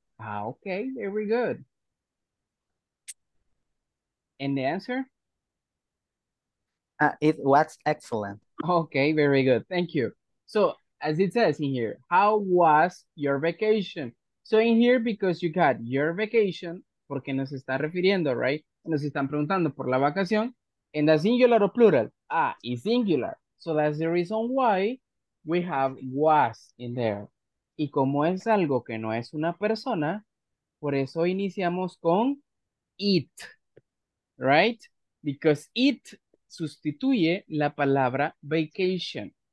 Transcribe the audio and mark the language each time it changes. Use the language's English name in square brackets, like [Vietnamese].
[English] Okay, very good. And the answer? It was excellent. Okay, very good. Thank you. So, as it says in here, how was your vacation? So in here, because you got your vacation, [Spanish] porque nos está refiriendo, [English] right? [Spanish] Nos están preguntando por la vacación, en la singular o plural. Y singular. [English] So that's the reason why we have was in there. [Spanish] Y como es algo que no es una persona, por eso iniciamos con it, right? [English] Because [Spanish] it sustituye la palabra vacation.